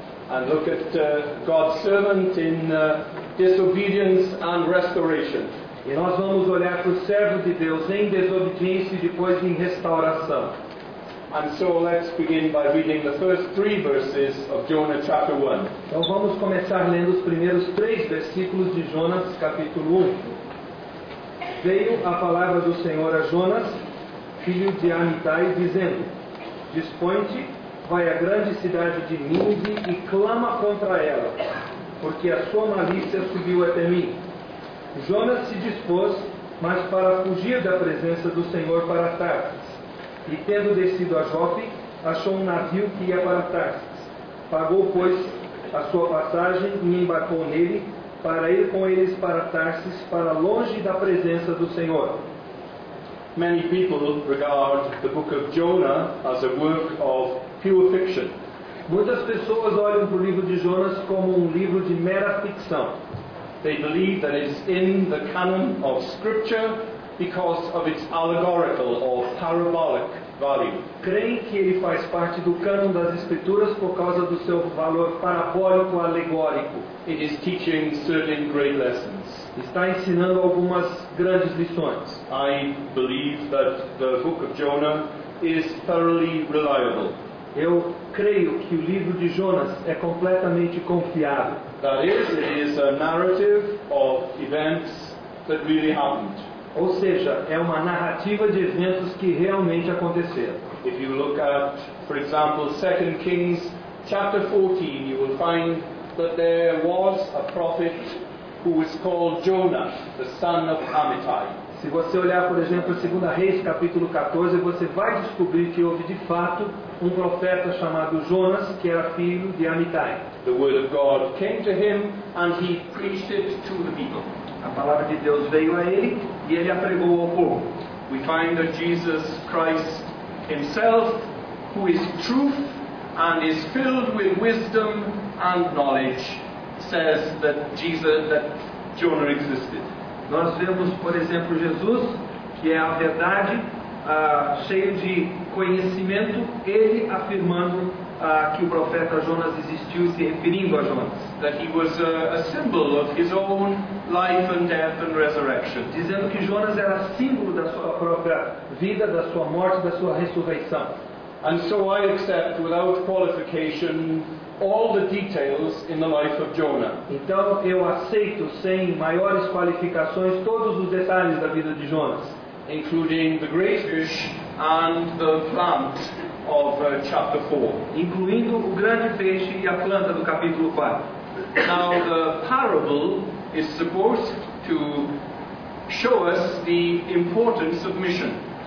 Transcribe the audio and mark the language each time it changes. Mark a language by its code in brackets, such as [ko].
[en] And look at God's sermon in disobedience and restoration. [pt] E nós vamos olhar para o servo de Deus em desobediência e depois em restauração. [en] And so let's begin by reading the first three verses of Jonah chapter 1. [pt] Então vamos começar lendo os primeiros três versículos de Jonas capítulo 1. Veio a palavra do Senhor a Jonas, filho de Amitai, dizendo: Dispõe-te, vai à grande cidade de Nínive e clama contra ela, porque a sua malícia subiu até mim. Jonas se dispôs, mas para fugir da presença do Senhor para Tarsis. E tendo descido a Jope, achou um navio que ia para Tarsis. Pagou, pois, a sua passagem e embarcou nele para ir com eles para Tarsis, para longe da presença do Senhor. [en] Many people regard the book of Jonah as a work of pure fiction. [pt] Muitas pessoas olham para o livro de Jonas como um livro de mera ficção. [en] They believe that it's in the canon of scripture because of its allegorical or parabolic value. [pt] Creem que ele faz parte do cânon das escrituras por causa do seu valor parabólico alegórico. [en] It is teaching certain great lessons. [pt] Está ensinando algumas grandes lições. [en] I believe that the book of Jonah is thoroughly reliable. [pt] Eu creio que o livro de Jonas é completamente confiável. [en] That is, it is a narrative of events that really happened. [pt] Ou seja, é uma narrativa de eventos que realmente aconteceram. [en] If you look at, for example, 2 Kings chapter 14, you will find that there was a prophet who was called Jonah, the son of Amittai. [pt] Se você olhar, por exemplo, 2 Reis, capítulo 14, você vai descobrir que houve, de fato, um profeta chamado Jonas, que era filho de Amitai. [en] The word of God came to him, and he preached it to the people. [pt] A palavra de Deus veio a ele, e ele a pregou ao povo. [en] We find that Jesus Christ himself, who is truth, and is filled with wisdom and knowledge, says that Jesus, that Jonah existed. [pt] Nós vemos, por exemplo, Jesus, que é a verdade, cheio de conhecimento, ele afirmando que o profeta Jonas existiu, se referindo a Jonas. [en] That he was a symbol of his own life and death and resurrection. [pt] Dizendo que Jonas era símbolo da sua própria vida, da sua morte, da sua ressurreição. [en] And so I accept without qualification all the details in the life of Jonah. [pt] Então eu aceito sem maiores qualificações todos os detalhes da vida de Jonas, [en] including the great fish and the plant of chapter 4. [pt] Incluindo o grande peixe e a planta do capítulo 4. [en] Now the parable is supposed to show us the importance of mission.